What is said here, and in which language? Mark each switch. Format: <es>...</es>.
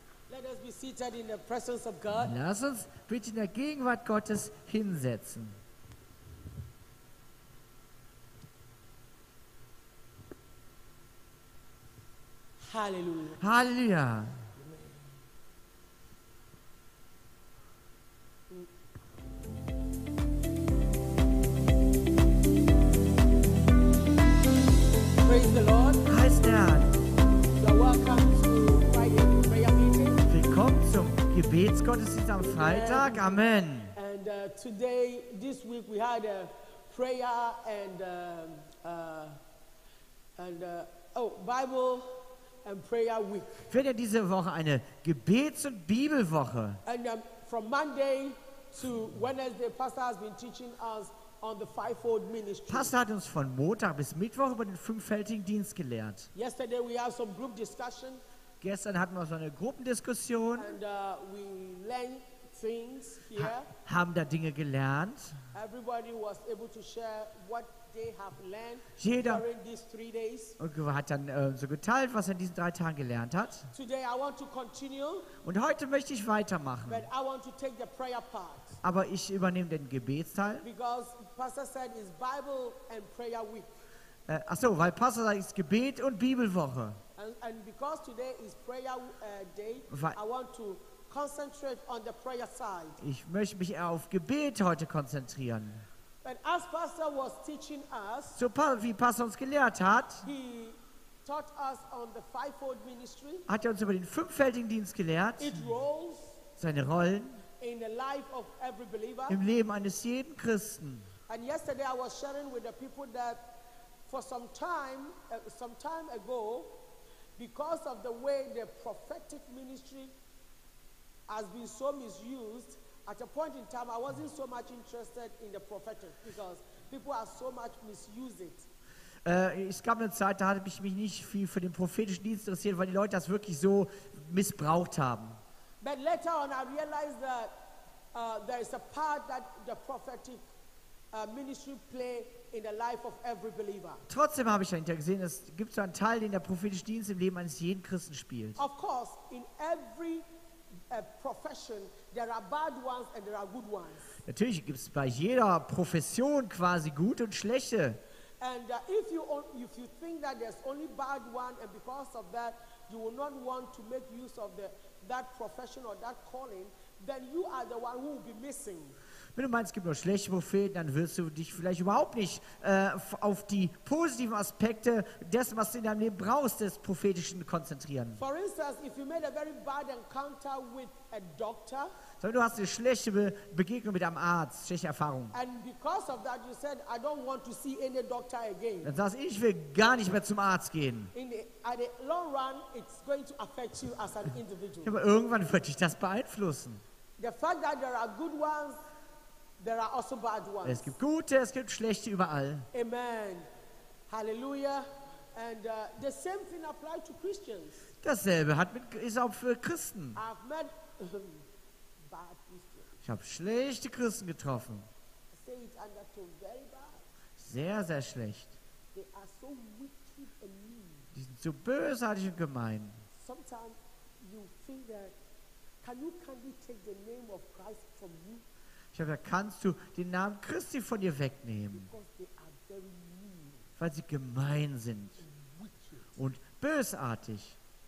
<en>Let us be seated in the presence of God.</en> <de>Lass uns bitte in der Gegenwart Gottes hinsetzen. Halleluja. Halleluja.</de> <en>Praise the Lord.</en> <de>Heißt der.</de> <en>So welcome to Friday prayer meeting.</en> <de>Willkommen zum Gebetsgottesdienst am Freitag. Amen.</de> <en>And today, this week, we had a prayer Bible and prayer week.</en> <de>Wir hatten diese Woche eine Gebets- und Bibelwoche.</de> <en>And from Monday to Wednesday, Pastor has been teaching us on the fivefold ministry.</en> <de>Pastor hat uns von Montag bis Mittwoch über den fünffältigen Dienst gelehrt.</de> <en>Yesterday we had some group discussion.</en> <de>Gestern hatten wir so eine Gruppendiskussion.</de> <en>And we learned things here.</en> <de>Haben da Dinge gelernt.</de> <en>Everybody was able to share what they have learned.</en> <de>Jeder</de> <en>during these 3 days.</en> <de>Und hat dann so geteilt, was er in diesen 3 Tagen gelernt hat.</de> <en>Today I want to continue.</en> <de>Und heute möchte ich weitermachen.</de> <en>But I want to take the prayer part.</en> <de>Aber ich übernehme den Gebetsteil.</de> <en>Because Pastor said it's Bible and prayer week.</en> <de>Weil Pastor sagt, es ist Gebet- und Bibelwoche.</de> <en>And, and because today is prayer day, I want to concentrate on the prayer side.</en> <de>Ich möchte mich auf Gebet heute konzentrieren.</de> <en>But as Pastor was teaching us,</en> <de>so wie Pastor uns gelehrt hat,</de> <en>he taught us on the fivefold ministry,</en> <de>hat er uns über den fünffältigen Dienst gelehrt,</de> <en>it roles,</en> <de>seine Rollen</de> <en>in the life of every believer,</en> <de>im Leben eines jeden Christen.</de> <en>And yesterday I was sharing with the people that for some time ago, because of the way the prophetic ministry has been so misused, at a point in time I wasn't so much interested in the prophetic because people are so much misuse it.</en> <de>Es gab eine Zeit, da hatte ich mich nicht viel für den prophetischen Dienst interessiert, weil die Leute das wirklich so missbraucht haben.</de> <en>But later on I realized that there is a part that the prophetic ministry play in the life of every believer.</en> <de>Trotzdem habe ich dahinter gesehen, es gibt so einen Teil, den der prophetische Dienst im Leben eines jeden Christen spielt.</de> <en>Of course, in every profession there are bad ones and there are good ones.</en> <de>Natürlich gibt es bei jeder Profession quasi gute und schlechte.</de> <en>And if you think that there's only bad one and because of that you will not want to make use of that profession or that calling, then you are the one who will be missing.</en> <de>Wenn du meinst, es gibt nur schlechte Propheten, dann wirst du dich vielleicht überhaupt nicht auf die positiven Aspekte dessen, was du in deinem Leben brauchst, des Prophetischen konzentrieren.</de> <en>For instance, if you made a very bad encounter with a doctor,</en> <de>so, du hast eine schlechte Begegnung mit einem Arzt, schlechte Erfahrung.</de> <en>And because of that, you said, I don't want to see any doctor again.</en> <de>Dann sagst du, ich will gar nicht mehr zum Arzt gehen.</de> <en>In the long run, it's going to affect you as an individual.</en> <de>Aber irgendwann wird dich das beeinflussen.</de> <en>The fact that there are good ones, there are also bad ones.</en> <de>Es gibt gute, es gibt schlechte überall.</de> <en>Amen. Hallelujah. And the same thing applies to Christians.</en> <de>Dasselbe ist auch für Christen.</de> <en>I've met bad Christians.</en> <de>Ich habe schlechte Christen getroffen.</de> <en>I say it under two, very bad.</en> <de>Sehr, sehr schlecht.</de> <en>They are so wicked and mean.</en> <de>Die sind so bösartig und gemein.</de> <en>Sometimes you think that can you take the name of Christ from you?</en> <de>Ich habe gesagt, kannst du den Namen Christi von dir wegnehmen? Weil sie gemein sind und bösartig.</de>